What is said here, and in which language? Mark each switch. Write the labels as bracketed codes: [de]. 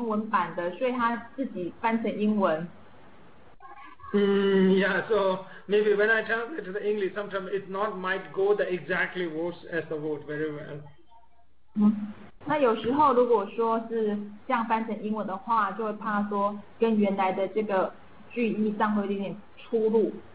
[zh] 刘博士说很抱歉了，因为他这边没有英文版的，所以他自己翻成英文。 [en] Yeah, so maybe when I translate to the English, sometimes it not might go the exactly words as the word very well. [zh] 那有时候如果说是这样翻成英文的话，就会怕说跟原来的这个句意上会有点出入。